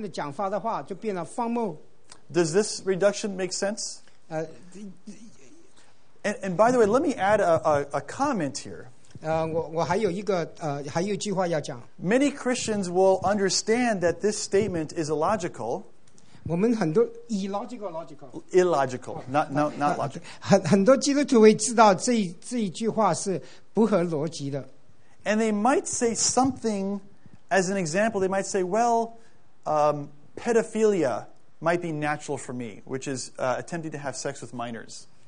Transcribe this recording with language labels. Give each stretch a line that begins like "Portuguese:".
Chinese: 但是我们就知道，我们一个去不停的说谎，那是不对的。如果我们同意他们的讲法的话，就变得荒谬。
English: Does this reduction make sense? And by the way, let me add a comment here.
Chinese: 我还有一句话要讲。
English: Many Christians will understand that this statement is illogical.
Chinese: 我们很多
English: illogical, not logical.
Chinese: 很多基督徒会知道这一句话是不合逻辑的。
English: And they might say something, as an example, they might say, well, pedophilia might be natural for me, which is attempting to have sex with minors.